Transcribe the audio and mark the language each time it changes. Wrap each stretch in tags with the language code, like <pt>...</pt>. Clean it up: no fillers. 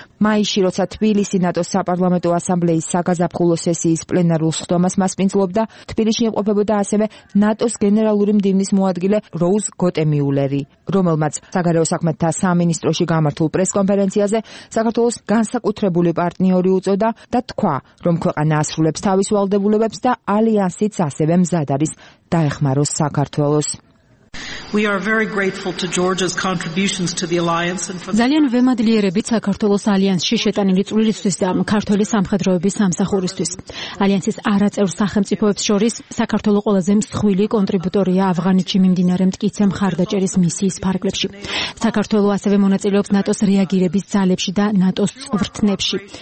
<ka>მაისში, როცა თბილისი ნატოს საპარლამენტო ასამბლეის საგაზაფხულო სესიის პლენარულ სხდომას მასპინძლობდა, თბილისში იმყოფებოდა ასევე ნატოს გენერალური მდივნის მოადგილე როუზ გოტემიულერი, რომელმაც საგარეო საქმეთა სამინისტროში გამართულ პრესკონფერენციაზე საქართველოს განსაკუთრებული პარტნიორი უწოდა და თქვა, რომ ქვეყანა ასრულებს თავის ვალდებულებებს და ალიანსიც ასევე მზად არის დაეხმაროს საქართველოს.</ka> <en>We are very grateful to Georgia's contributions to the alliance and for</en> <ka>ძალიან ვემადლიერებით საქართველოს ალიანსში შეტანილი წვლილისთვის და ქართველი სამხედროების სამსახურისთვის. ალიანსის არაწევრ სახელმწიფოებს შორის საქართველო ყველაზე მსხვილი კონტრიბუტორია ავღანეთში მიმდინარე მტკიცე მხარდაჭერის მისიის ფარგლებში. საქართველო ასევე მონაწილეობს ნატოს რეაგირების ძალებში და ნატოს წვრთნებში.</ka>